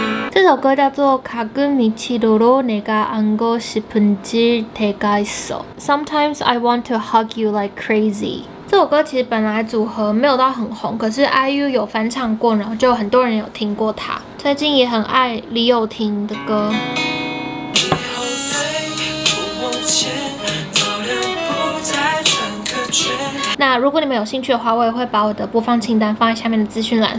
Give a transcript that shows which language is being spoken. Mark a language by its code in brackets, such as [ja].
[zh] 这首歌叫做《가끔미치도록내가안고싶은질때가있어》。 [en] Sometimes I want to hug you like crazy。 [zh] 这首歌其实本来组合没有到很红，可是 IU 有翻唱过，然后就很多人有听过它。最近也很爱李友廷的歌。那如果你们有兴趣的话，我也会把我的播放清单放在下面的资讯栏。